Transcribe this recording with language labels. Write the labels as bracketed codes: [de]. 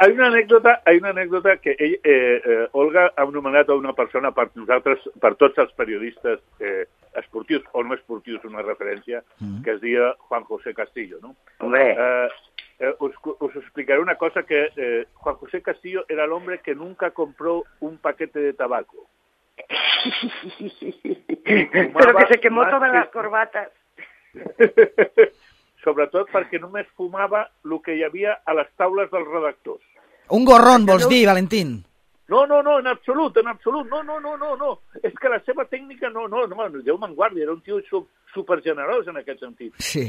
[es] Hay una anécdota que [ca] Olga ha nomenat a una persona per nosaltres, per tots els periodistes esportius o no esportius, una referència, que es diu Juan José Castillo, no? [es] Hombre. [ca] Us explicaré una cosa, que [es] Juan José Castillo [ca] era [es] el hombre que nunca compró un paquete de tabaco. Pero que se quemó todas las corbatas. [ca] Sobretot perquè només fumava el que hi havia a les taules dels redactors. Un gorrón, vols dir, Valentín? No, en absolut. No. És que la seva tècnica, no, Déu me'n guardi, era un tio supergenerós en aquest sentit. Sí.